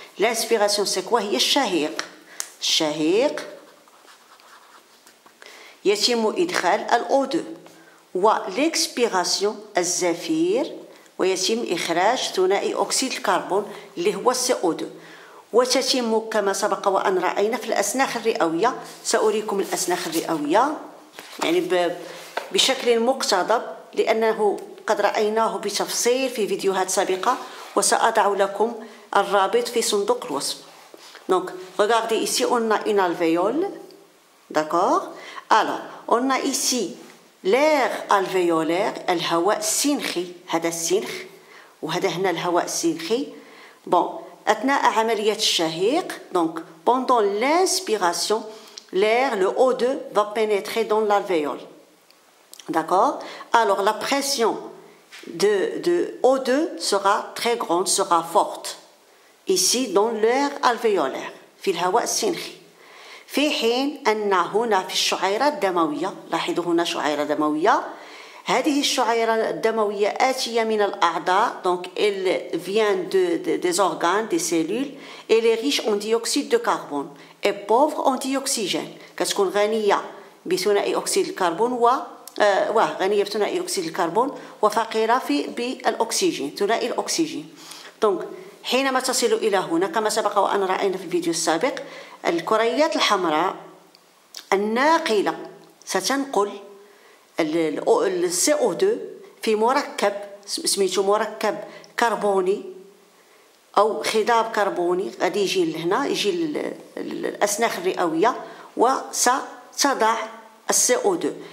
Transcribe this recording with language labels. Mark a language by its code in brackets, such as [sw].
[fr] لانسبيراسيون سي كوا؟ [ar] هي الشهيق يتم ادخال الاو 2، وليكسبيراسيون الزفير ويتم اخراج ثنائي اكسيد الكربون اللي هو سي او 2، وتتم كما سبق وان راينا في الاسناخ الرئويه. ساريكم الاسناخ الرئويه يعني بشكل مقتضب لانه قد رأيناه بتفصيل في فيديوهات سابقة، وسأضع لكم الرابط في صندوق الوصف. دونك [fr] regardez ici on a une alvéole. D'accord. Alors on a ici l'air alvéolaire, [ar] الهواء السنخي. هذا السنخ وهذا هنا الهواء السنخي. بون اثناء عملية الشهيق، دونك [fr] pendant l'inspiration l'air le O2 va pénétrer dans l'alvéole. D'accord. Alors la pression de O2 sera très grande, sera forte ici dans l'air alvéolaire, [ar] في الهواء السنخي. في حين ان هنا في الشعيره الدمويه، لاحظوا هنا شعيره دمويه، هذه الشعيره الدمويه آتيه من الاعضاء، [fr] donc elle vient des organes, des cellules. Elle est riche en dioxyde de carbone et pauvre en dioxygène. [ar] كتكون غنيه بثنائي اكسيد الكربون غنية بثنائي أكسيد الكربون وفقيرة بالأكسجين، ثنائي الأكسجين. دونك حينما تصل إلى هنا كما سبق وأن رأينا في الفيديو السابق، الكريات الحمراء الناقلة ستنقل الـ CO2 في مركب سميتو مركب كربوني أو خضاب كربوني، غادي يجي لهنا، يجي للأسناخ الرئوية وستضع الـ CO2.